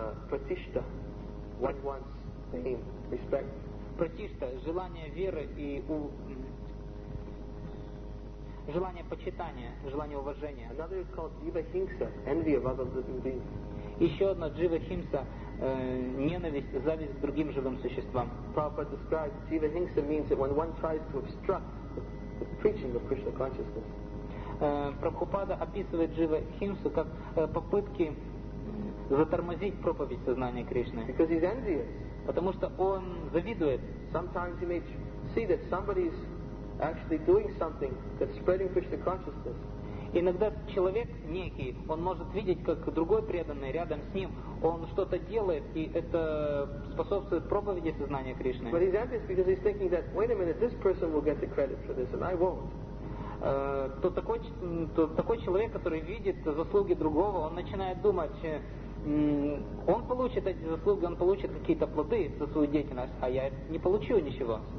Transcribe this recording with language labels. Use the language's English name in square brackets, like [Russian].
[English] Pratishta, one wants fame, respect. [Russian] Пратишта, желание веры и желание почитания, желание уважения. [English] Another is called jivahimsa, envy of other living beings. [Russian] Еще одно jivahimsa, ненависть, зависть к другим живым существам. [English] Prabhupada describes jivahimsa means that when one tries to obstruct the preaching of Krishna consciousness. [Russian] Прабхупада описывает jivahimsa как попытки затормозить проповедь сознания Кришны. [English] Because he's envious. [Russian] Потому что он завидует. [English] Sometimes he may see that somebody is actually doing something that's spreading Krishna consciousness. [Russian] Иногда человек некий, он может видеть, как другой преданный рядом с ним, он что-то делает, и это способствует проповеди сознания Кришны. [English] But he's envious because he's thinking that, wait a minute, this person will get the credit for this, and I won't. [Russian] То такой человек, который видит заслуги другого, он начинает думать, он получит эти заслуги, он получит какие-то плоды за свою деятельность, а я не получу ничего.